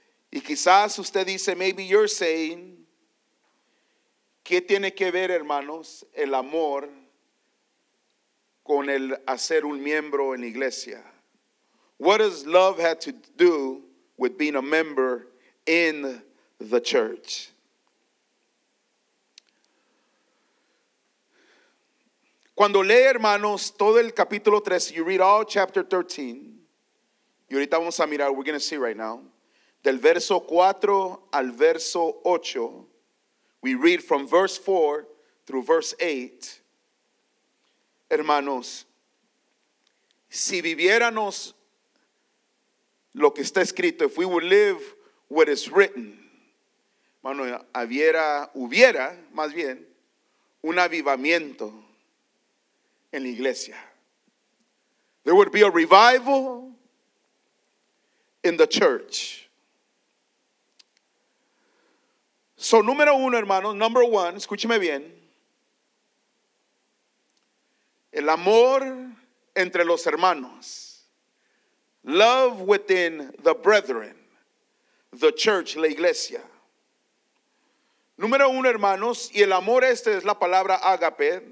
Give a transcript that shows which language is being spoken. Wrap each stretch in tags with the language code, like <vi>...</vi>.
<es>Y quizás usted dice,</es> <en>maybe you're saying,</en> <es>¿qué tiene que ver, hermanos, el amor con el hacer un miembro en la iglesia?</es> <en>What does love have to do with being a member in the church?</en> <es>Cuando lee, hermanos, todo el capítulo 13,</es> <en>you read all chapter 13,</en> <es>y ahorita vamos a mirar,</es> <en>we're going to see right now,</en> <es>del verso 4 al verso 8,</es> <en>we read from verse 4 through verse 8,</en> <es>hermanos, si viviéramos lo que está escrito,</es> <en>if we would live what is written,</en> <es>hermano, hubiera más bien un avivamiento en la iglesia.</es> <en>There would be a revival in the church.</en> <es>So, número uno, hermanos,</es> <en>number one,</en> <es>escúcheme bien. El amor entre los hermanos.</es> <en>Love within the brethren. The church,</en> <es>la iglesia. Número uno, hermanos, y el amor este es la palabra agape.</es>